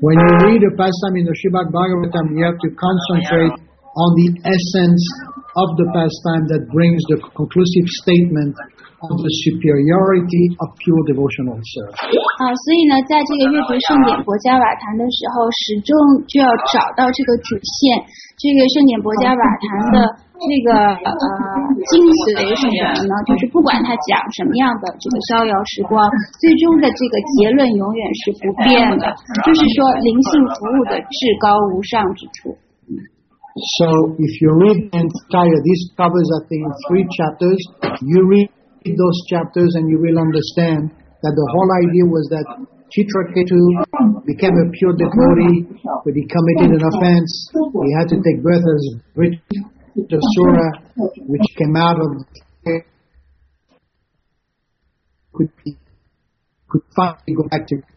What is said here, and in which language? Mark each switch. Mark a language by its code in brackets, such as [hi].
[en] When you read a pastime in the Srimad Bhagavatam, you have to concentrate. On the essence of the pastime that brings the conclusive statement of the superiority of pure devotional service. [zh] 所以呢，在这个阅读圣典薄伽瓦坛的时候，始终就要找到这个主线。这个圣典薄伽瓦坛的这个精髓是什么呢？就是不管他讲什么样的这个逍遥时光，最终的这个结论永远是不变的，就是说灵性服务的至高无上之处。 [en] So if you read the entire, this covers I think 3 chapters, you read those chapters and you will understand that the whole idea was that Chitraketu became a pure devotee, but he committed an offense, he had to take birth as Vritasura, which came out of the could finally go back to